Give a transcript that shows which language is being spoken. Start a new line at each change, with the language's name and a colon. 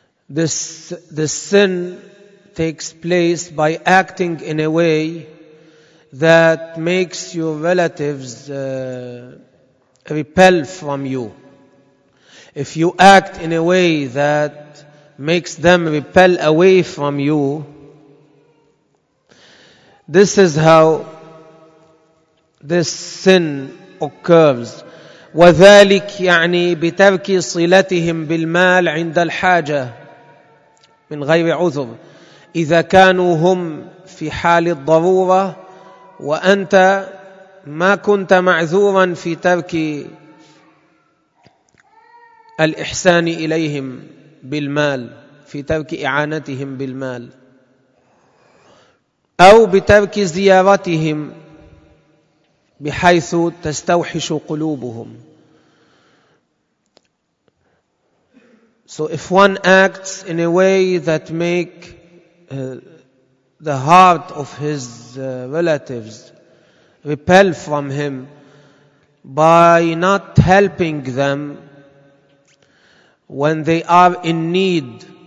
English: This sin takes place by acting in a way that makes your relatives repel from you. If you act in a way that makes them repel away from you, this is how this sin occurs.
Arabic: وذلك يعني بترك صلتهم بالمال عند الحاجة من غير عذر, إذا كانوا هم في حال الضرورة وأنت ما كنت معذورا في ترك الإحسان إليهم بالمال, في ترك إعانتهم بالمال, أو بترك زيارتهم بحيث تستوحش قلوبهم.
English: So if one acts in a way that make the heart of his relatives repel from him by not helping them when they are in need